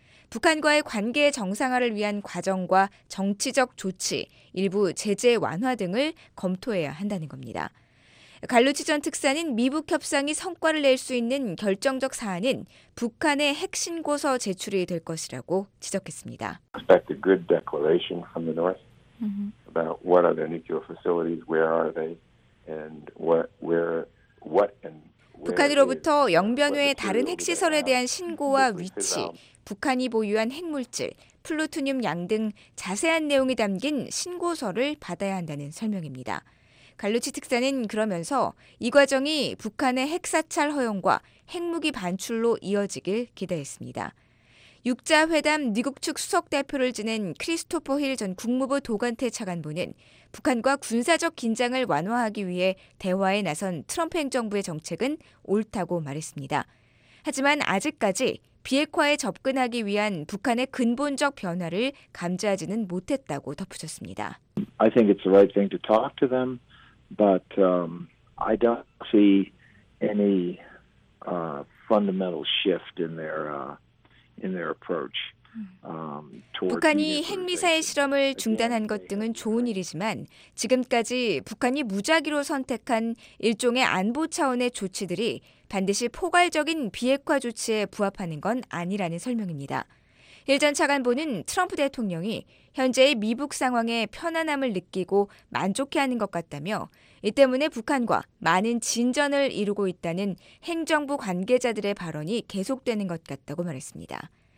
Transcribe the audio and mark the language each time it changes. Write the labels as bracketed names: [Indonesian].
[Korean] 북한과의 관계 정상화를 위한 과정과 정치적 조치, 일부 제재 완화 등을 검토해야 한다는 겁니다. 갈루치 전 특사는 미북 협상이 성과를 낼 수 있는 결정적 사안은 북한의 핵신고서 제출이 될 것이라고 지적했습니다. [English] Expect a good declaration from the North about what are their nuclear facilities, where are they, and what and [Korean] 북한으로부터 영변 외의 다른 핵시설에 대한 신고와 위치, 북한이 보유한 핵물질, 플루토늄 양 등 자세한 내용이 담긴 신고서를 받아야 한다는 설명입니다. 갈루치 특사는 그러면서 이 과정이 북한의 핵사찰 허용과 핵무기 반출로 이어지길 기대했습니다. 6자회담 미국 측 수석대표를 지낸 크리스토퍼 힐 전 국무부 도관태 차관보는 북한과 군사적 긴장을 완화하기 위해 대화에 나선 트럼프 행정부의 정책은 옳다고 말했습니다. 하지만 아직까지 비핵화에 접근하기 위한 북한의 근본적 변화를 감지하지는 못했다고 덧붙였습니다. [English] I think it's the right thing to talk to them, but I don't see any fundamental shift in their approach. [Korean] 북한이 핵미사일 실험을 중단한 것 등은 좋은 일이지만 지금까지 북한이 무작위로 선택한 일종의 안보 차원의 조치들이 반드시 포괄적인 비핵화 조치에 부합하는 건 아니라는 설명입니다. 힐 전 차관보는 트럼프 대통령이 현재의 미북 상황에 편안함을 느끼고 만족해하는 것 같다며 이 때문에 북한과 많은 진전을 이루고 있다는 행정부 관계자들의 발언이 계속되는 것 같다고 말했습니다.